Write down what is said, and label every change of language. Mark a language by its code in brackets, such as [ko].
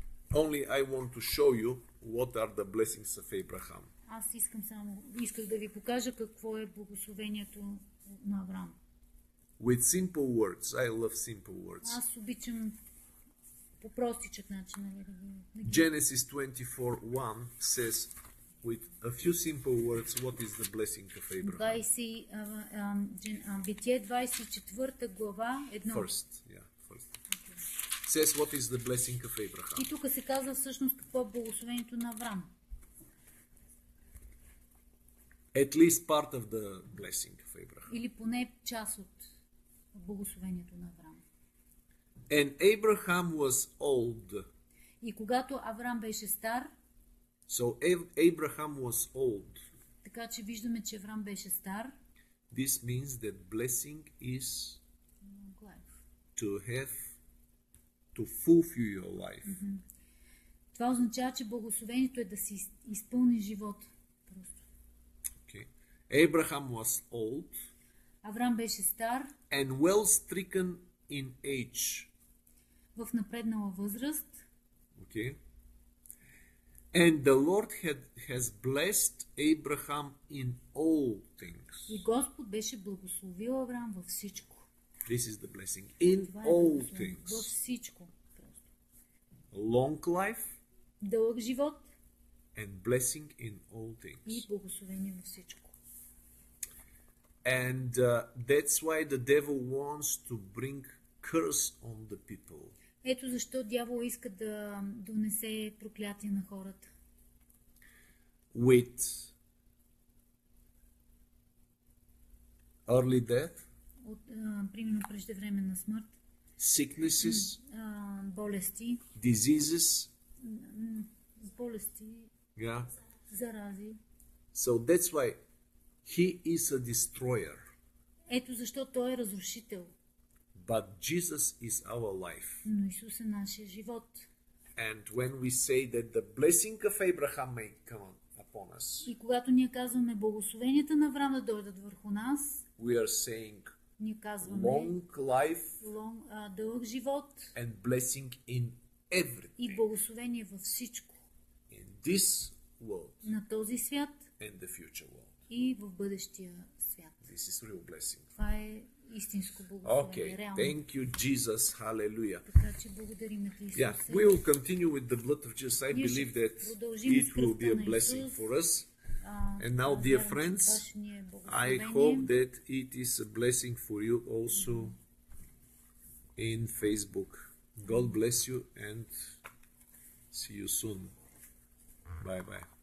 [en] Only I want to show you what are the blessings of Abraham. [bg] Аз исках да ви покажа какво е благословението на Авраам. [en] With simple words, I love simple words. [bg] Аз обичам по простичък начин, нали, да ги. [en] Genesis 24:1 says with a few simple words what is the blessing of Abraham. [bg] Битие 24-та глава 1. [en] First, yeah. Says what is the blessing of Abraham. [bg] И тук се казва всъщност какво е благословението на Авраам. [en] At least part of the blessing of Abraham. [bg] Или поне част от благословението на Авраам. [en] And Abraham was old. [bg] И когато Авраам беше стар, [en] so Abraham was old. [bg] Така че виждаме, че Авраам беше стар. [en] This means that blessing is to have to fulfill your life. [bg] Това означава, че благословението е да си изпълни живот. [en] Okay. Abraham was old. [bg] Авраам беше стар. [en] And well stricken in age. [bg] В напреднала възраст. [en] Okay. And the Lord has blessed Abraham in all things. [bg] И Господ беше благословил Авраам във всичко. [en] This is the blessing in all things. [bg] Във всичко. [en] Long life. [bg] Дълъг живот. [en] And blessing in all things. [bg] И благословение във всичко. [en] And that's why the devil wants to bring curse on the people. [bg] Ето защо дявол иска да донесе проклятие на хората. [en] With early death. [bg] От примерно преждевременна смърт. [en] Sicknesses. [bg] Болести. [en] Diseases. [bg] Болести. [en] Yeah. [bg] Зарази. [en] So that's why he is a destroyer. [bg] Ето защо той е разрушител. [en] But Jesus is our life. [bg] Но Исус е нашия живот. [en] And when we say that the blessing of Abraham may come upon us. [bg] И когато ние казваме благословенията на Авраам да дойдат върху нас, [en] we are saying [bg] ние казваме [en] long life, [bg] дълъг живот, [en] and blessing in everything. [bg] И благословение във всичко. [en] In this world. [bg] На този свят. [en] And the future world. [bg] И в бъдещия свят. [en] This is real blessing. [bg] Това е истинско благословение. [en] Okay, [bg] реално. [en] Thank you, Jesus. Hallelujah. [bg] Така че благодарим на Христос. [en] Yeah, we will continue with the blood of Jesus. I believe that it will be a blessing for us. And now, dear friends, I hope that it is a blessing for you also in Facebook. God bless you and see you soon. Bye-bye.